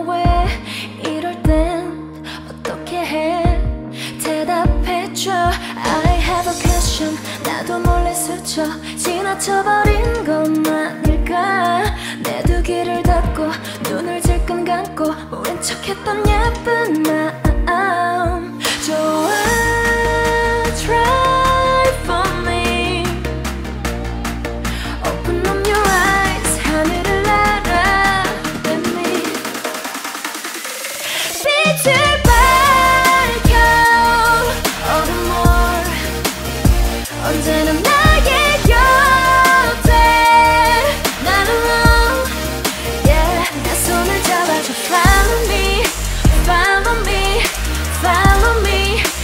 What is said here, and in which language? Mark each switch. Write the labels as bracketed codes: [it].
[ko] 왜 이럴 땐 어떻게 해? 대답해줘. [en] I have a question. [ko] 나도 몰래 스쳐 지나쳐버린 것만일까. 내 두 귀를 닫고 눈을 질끈 감고 모른 척했던 예쁜 마음. 좋아 [en] try for me. Open up your eyes. [ko] 하늘을 알아 [en] let me. [ko] 빛을 밝혀 [en] all the more. [ko] 언제나 나의 곁에 [en] not alone. [ko] Yeah, 내 손을 잡아줘. [en] Follow me, follow me, follow me.